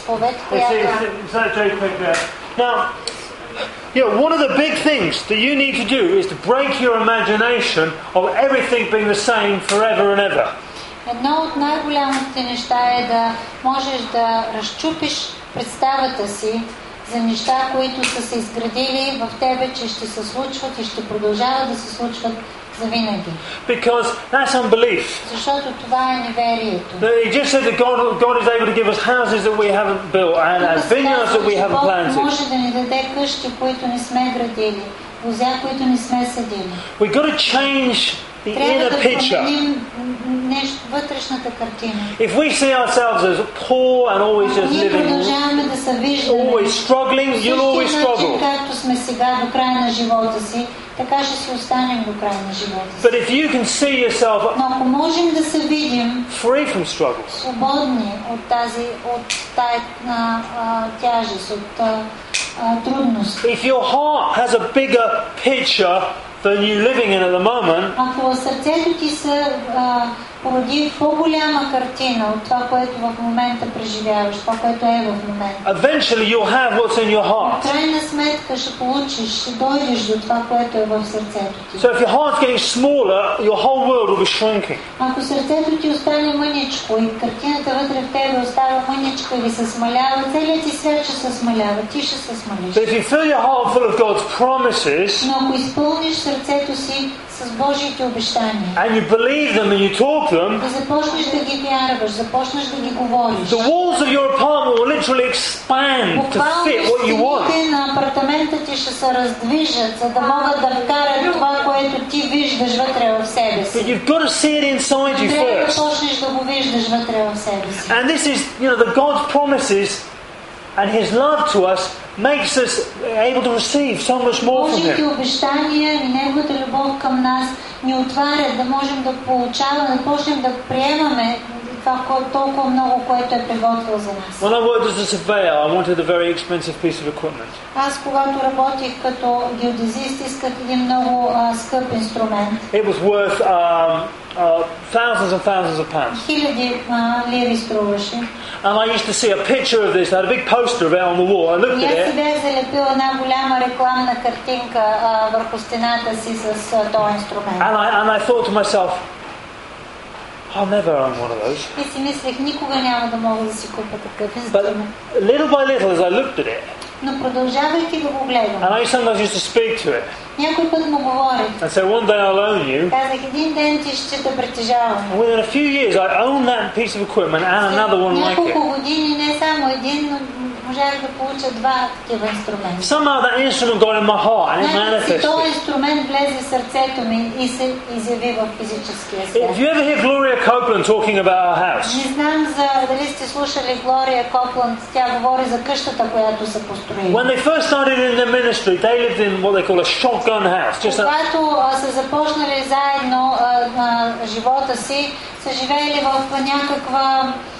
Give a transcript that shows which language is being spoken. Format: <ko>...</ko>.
<en>Now, you know, one of the big things that you need to do is to break your imagination of everything being the same forever and ever.</en> <bg>Едно от най-голямите неща е да можеш да разчупиш представата си за неща, които са се изградили в тебе, че ще се случват и ще продължават да се случват.</bg> <en>Because that's unbelief.</en> <bg>Защото това е неверието.</bg> <en>He just said that God is able to give us houses that we haven't built and vineyards that we haven't planted.</en> <bg>Може да ни даде къщи, които не сме градили, лозя, които не сме съдили.</bg> <en>We got to change the inner picture.</en> <bg>Вътрешната картина.</bg> <en>If we see ourselves as poor and always just living, always struggling, you'll always struggle.</en> <bg>Както сме сега до края на живота си, така ще си останем до края на живота си.</bg> <en>But if you can see yourself,</en> <bg>но ако можем да се видим</bg> <en>free from struggles,</en> <bg>свободни от тази, от тая тежест, от трудност.</bg> <en>If your heart has a bigger picture than you living in at the moment,</en> <bg>ако сърцето ти се породи по-голяма картина от това, което в момента преживяваш, това, което е в момента.</bg> <en>Eventually you'll have what's in your heart.</en> <bg>В крайна сметка ще получиш, ще дойдеш до това, което е в сърцето ти.</bg> <en>So if your heart's getting smaller, your whole world will be shrinking.</en> <bg>Ако сърцето ти остане мъничко и картината вътре в тебе остава мъничко и се смалява, целият ти свят ще се смалява, ти ще се смалиш.</bg> <en>But if you fill your heart full of God's promises,</en> <bg>но ако изпълниш сърцето си с Божиите обещания.</bg> <en>And you believe them and you talk them.</en> <bg>И започнеш да ги вярваш, започнеш да ги говориш.</bg> <en>The walls of your apartment will literally expand to fit what you want.</en> <bg>Стените на апартамента ти ще се раздвижат, за да могат да вкарат това, което ти виждаш вътре в себе си.</bg> <en>But you've got to see it inside you first.</en> <bg>Трябва да започнеш да го виждаш вътре в себе си.</bg> <en>And this is, you know, the God's promises and His love to us makes us able to receive so much more from Him.</en> <bg>Божите обещания и Неговата любов към нас ни отварят да можем да получаваме, да можем да приемаме това толкова много, което е приготвил за нас.</bg> <en>When I worked as a surveyor, I wanted a very expensive piece of equipment.</en> <bg>Аз когато работих като геодезист, исках един много скъп инструмент.</bg> <en>It was worth thousands and thousands of pounds.</en> <bg>Хиляди лири струваше.</bg> <en>And I used to see a picture of this. They had a big poster of it on the wall. I looked at it.</en> <bg>Я себе залепил една голяма рекламна картинка върху стената си с този инструмент.</bg> <en>And I thought to myself, I'll never own one of those.</en> <bg>И си мислех, никога няма да мога да си купя такъв инструмент.</bg> <en>But little by little, as I looked at it,</en> <bg>но продължавайки да го гледам.</bg> <en>And I sometimes used to speak to it.</en> <bg>Някой път му говори.</bg> <en>And say, one day I'll own you.</en> <bg>Казах, един ден ти ще те притежавам.</bg> <en>And within a few years, I owned that piece of equipment and another one like it.</en> <bg>Няколко години, не само един, но можах да получа два такива инструмента.</bg> <en>Somehow that instrument got in my heart and it manifested.</en> <bg>Значи, този инструмент влезе в сърцето ми и се изяви в физическия свят.</bg> <en>Have you ever heard Gloria Copeland talking about her house?</en> <bg>Не знам за дали сте слушали Gloria Copeland, тя говори за къщата, която са построили.</bg> <en>When they first started in the ministry, they lived in what they call a shotgun house.</en> <bg>Когато са започнали заедно на живота си, са живели в някаква...</bg>